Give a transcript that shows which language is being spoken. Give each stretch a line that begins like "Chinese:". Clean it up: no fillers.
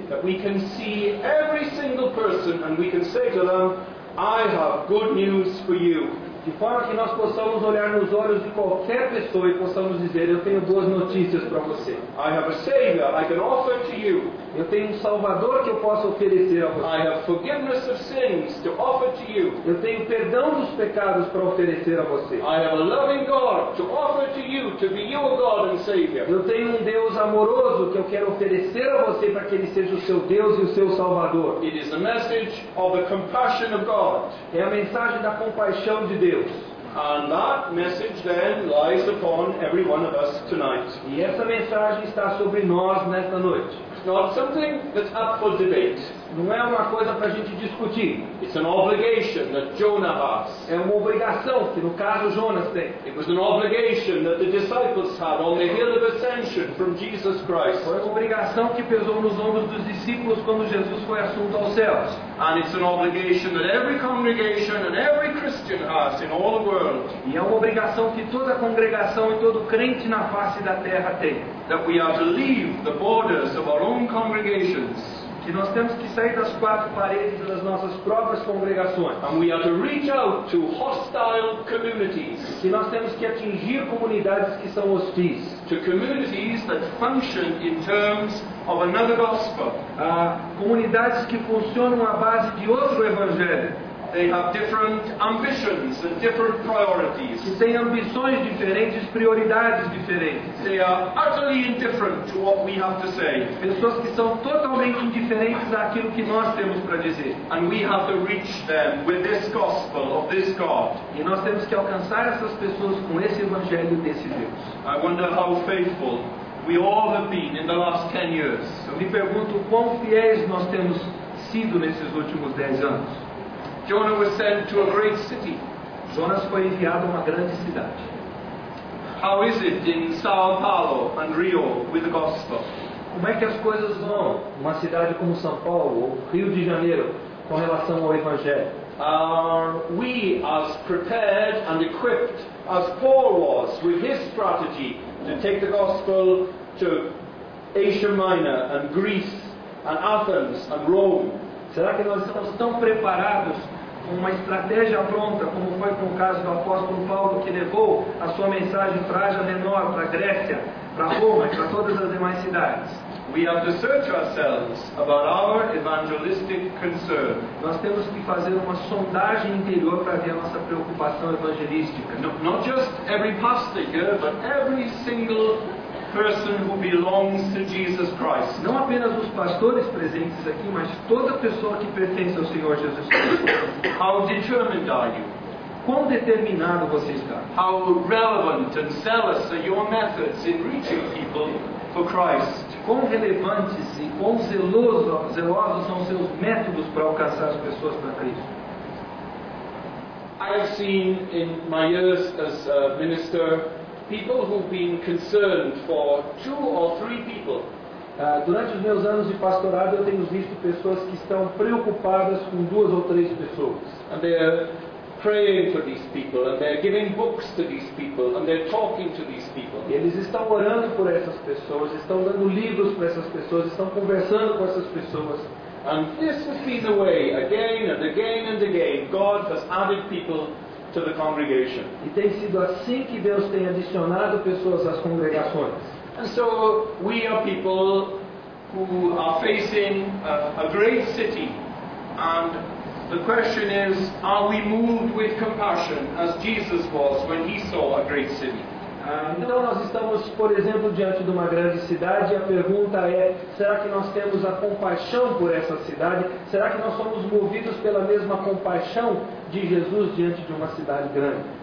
English: That we can see every single person and we can say to them, I have good news for you.
Portuguese: De forma que nós possamos olhar nos olhos de qualquer pessoa e possamos dizer, eu tenho boas notícias para você.
English: I have a savior I can offer to you.
Portuguese: Eu tenho um salvador que eu posso oferecer a você.
English: I have forgiveness of sins to offer to you.
Portuguese: Eu tenho perdão dos pecados para oferecer a você.
English: I have a loving God to offer to you to be your God and savior.
Portuguese: Eu tenho um Deus amoroso que eu quero oferecer a você para que ele seja o seu Deus e o seu salvador.
English: It is the message of the compassion of God.
Portuguese: É a mensagem da compaixão de Deus.
English: And that message then lies upon every one of us tonight.
Portuguese: E essa mensagem está sobre nós nesta noite.
English: not something that's up for debate.
Portuguese: Não é uma coisa para a gente discutir.
English: It's an obligation that Jonah has.
Portuguese: É uma obrigação que, no caso, Jonas tem.
English: It was an obligation that the disciples had on the hill of ascension from Jesus Christ.
Portuguese: Foi uma obrigação que pesou nos ombros dos discípulos quando Jesus foi assunto aos céus.
English: And it's an obligation that every congregation and every Christian has in all the world.
Portuguese: E é uma obrigação que toda congregação e todo crente na face da terra tem.
English: That we are to leave the borders of our own congregations.
Portuguese: Que nós temos que sair das quatro paredes das nossas próprias congregações.
English: And we are to reach out to hostile communities.
Portuguese: Que nós temos que atingir comunidades que são hostis.
English: To communities that function in terms of another gospel.
Portuguese: Comunidades que funcionam à base de outro evangelho.
English: They have different ambitions and different priorities.
Portuguese: Que têm ambições diferentes, prioridades diferentes.
English: They are utterly indifferent to what we have to say.
Portuguese: Pessoas que são totalmente indiferentes àquilo que nós temos para dizer.
English: And we have to reach them with this gospel of this God.
Portuguese: E nós temos que alcançar essas pessoas com esse evangelho desse Deus.
English: I wonder how faithful we all have been in the last 10 years.
Portuguese: Eu me pergunto quão fiéis nós temos sido nesses últimos 10 anos.
English: Jonah was sent to a great city.
Portuguese: Jonas foi enviado a uma grande cidade.
English: How is it in São Paulo and Rio with the gospel?
Portuguese: Como é que as coisas vão numa cidade como São Paulo ou Rio de Janeiro com relação ao evangelho?
English: Are we as prepared and equipped as Paul was with his strategy to take the gospel to Asia Minor and Greece and Athens and Rome?
Portuguese: Será que nós estamos tão preparados com uma estratégia pronta, como foi com o caso do apóstolo Paulo, que levou a sua mensagem para Ásia Menor, para a Grécia, para Roma e para todas as demais cidades?
English: We have to search ourselves about our evangelistic concern.
Portuguese: Nós temos que fazer uma sondagem interior para ver a nossa preocupação evangelística.
English: Not just every pastor here, but every single person who belongs to Jesus Christ.
Portuguese: Não apenas os pastores presentes aqui, mas toda pessoa que pertence ao Senhor Jesus Cristo.
English: How determined are you?
Portuguese: Quão determinado você está?
English: How relevant and zealous are your methods in reaching people for Christ?
Portuguese: Quão relevantes e quão zelosos são seus métodos para alcançar as pessoas para Cristo?
English: I have seen in my years as a minister people who've been concerned for two or three people.
Portuguese: Durante os meus anos de pastorado, eu tenho visto pessoas que estão preocupadas com duas ou três pessoas.
English: And they're praying for these people, and they're giving books to these people, and they're talking to these people.
Portuguese: E eles estão orando por essas pessoas, estão dando livros para essas pessoas, estão conversando com essas pessoas.
English: And this has been the way, again and again and again, God has added people to the congregation.
Portuguese: E tem sido assim que Deus tem adicionado pessoas às congregações.
English: And so we are people who are facing a great city, and the question is, are we moved with compassion as Jesus was when he saw a great city?
Portuguese: Então nós estamos, por exemplo, diante de uma grande cidade, e a pergunta é: será que nós temos a compaixão por essa cidade? Será que nós somos movidos pela mesma compaixão de Jesus diante de uma cidade grande?